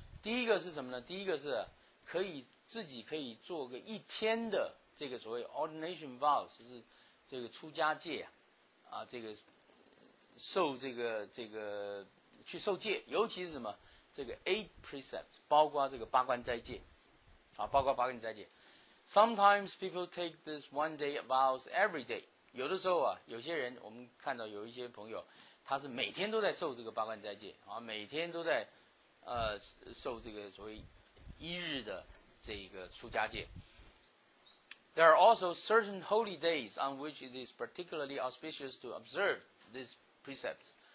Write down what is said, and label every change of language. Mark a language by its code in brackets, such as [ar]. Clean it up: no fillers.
[zh] 第一个是什么呢？第一个是可以自己可以做个一天的这个所谓 [en] ordination vows， [zh] 是这个出家戒啊，这个受这个去受戒，尤其是什么这个 [en] 8 precepts， [zh] 包括这个八关斋戒啊，包括八关斋戒。 [en] Sometimes people take this one day vows every day. [zh] 有的时候啊，有些人我们看到有一些朋友，他是每天都在受这个八关斋戒啊，每天都在受这个所谓一日的这个出家戒。 [en] There are also certain holy days on which it is particularly auspicious to observe these precepts.